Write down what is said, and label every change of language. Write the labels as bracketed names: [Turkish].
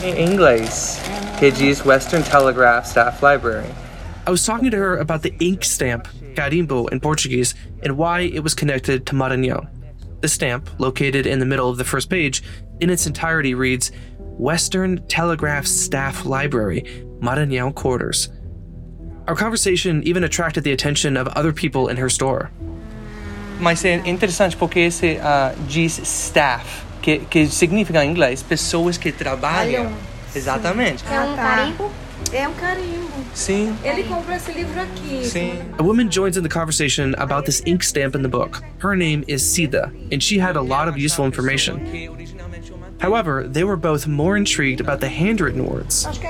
[Portuguese] Em inglês, que diz Western Telegraph Staff Library. [English] I was talking to her about the ink stamp, carimbo in Portuguese, and why it was connected to Maranhão. The stamp, located in the middle of the first page, in its entirety reads, Western Telegraph Staff Library, Maranhão Quarters. Our conversation even attracted the attention of other people in her store. [Portuguese] Mas é interessante porque esse diz staff, que significa em inglês pessoas que trabalham. Exatamente. É carimbo. [English] A woman joins in the conversation about this ink stamp in the book. Her name is Sida, and she had a lot of useful information. However, they were both more intrigued about the handwritten words.